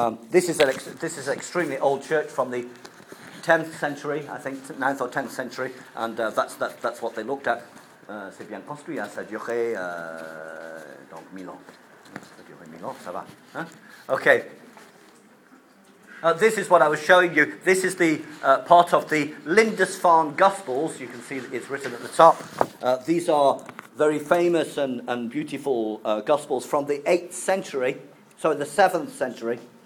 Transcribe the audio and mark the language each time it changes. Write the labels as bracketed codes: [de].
[en] This is an extremely old church from the 10th century, I think, 9th or 10th century, and that's what they looked at. [fr] C'est bien construit, ça durait donc 1000 ans. Ça durait 1000 ans, ça va. Okay. [en] This is what I was showing you. This is the part of the Lindisfarne Gospels. You can see it's written at the top. These are very famous and beautiful Gospels from the 8th century, sorry, the 7th century.